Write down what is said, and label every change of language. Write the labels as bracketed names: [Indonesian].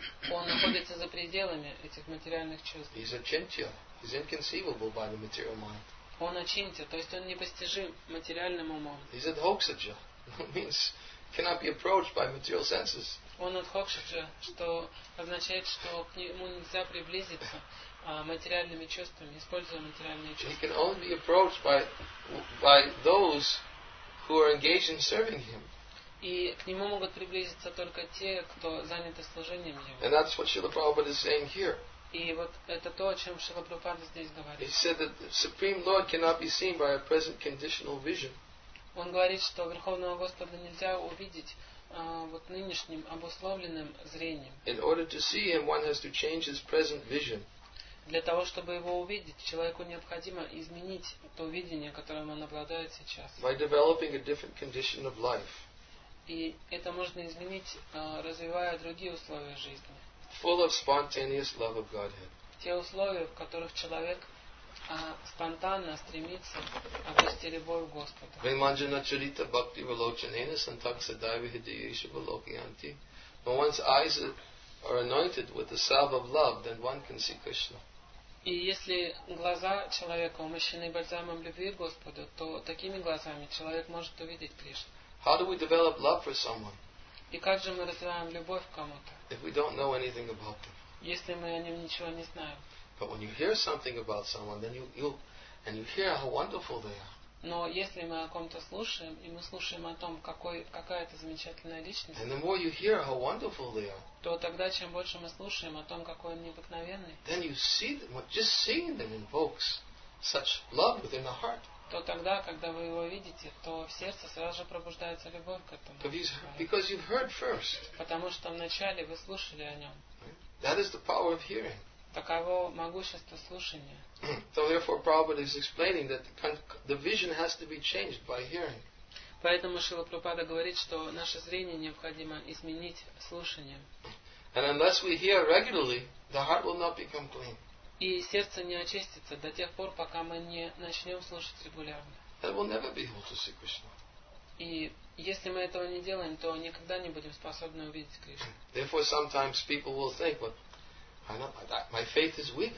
[Russian] Он находится за пределами этих материальных чувств. [English] He's achintya. He's inconceivable by the material mind. [Russian] Он achintya, то есть он непостижим материальным умом. [English] He's adhokshaja. That means cannot be approached by material senses. [Russian] Он адхокшаджа, что означает, что к нему нельзя приблизиться материальными чувствами, используя материальные чувства. [English] He can only be approached by those who are engaged in serving him. [Russian] И к нему могут приблизиться только те, кто заняты служением ему. [English] And that's what Srila Prabhupada is saying here. [Russian] И вот это то, о чем Шрила Прабхупада здесь говорит. [English] He said that the Supreme Lord cannot be seen by a present conditional vision. [Russian] Он говорит, что Верховного Господа нельзя увидеть вот нынешним обусловленным зрением. [English] In order to see him, one has to change his present vision. [Russian] Для того, чтобы его увидеть, человеку необходимо изменить то видение, которым он обладает сейчас. [English] By developing a different condition of life. [Russian] И это можно изменить, развивая другие условия жизни. [English] Full of spontaneous love of Godhead. [Russian] Те условия, в которых человек спонтанно стремится обрести любовь Господа. [Sanskrit] Vimanjana charita bhakti valochanena santaksadaiva hidayesha valokyanti. [English] When one's eyes are anointed with the salve of love, then one can see Krishna. [Russian] И если глаза человека умощены бальзамом любви Господа, то такими глазами человек может увидеть Кришну. [English] How do we develop love for someone? [Russian] И как же мы развиваем любовь к кому-то? [English] If we don't know anything about them. [Russian] Если мы о нем ничего не знаем. [English] But when you hear something about someone, then and you hear how wonderful they are. [Russian] Но если мы о ком-то слушаем, и мы слушаем о том, какая это замечательная личность, [English] and the more you hear how wonderful they are, [Russian] то тогда, чем больше мы слушаем о том, какой он необыкновенный, [English] then you see them, just seeing them invokes such love within the heart. [Russian] То тогда, когда вы его видите, то в сердце сразу же пробуждается любовь к этому. [English] Because you've heard first. [Russian] Потому что вначале вы слушали о нем. [English] That is the power of hearing. [Russian] Таково могущество слушания. [English] So therefore Prabhupada is explaining that the vision has to be changed by hearing. [Russian] Поэтому Шрила Прабхупада говорит, что наше зрение необходимо изменить слушанием. [English] And unless we hear regularly, the heart will not become clean. [Russian] И сердце не очистится до тех пор, пока мы не начнем слушать регулярно. [English] It will never be able to see Krishna. [Russian] И если мы этого не делаем, то никогда не будем способны увидеть Кришну. [English] Therefore sometimes people will think, well, my faith is weak.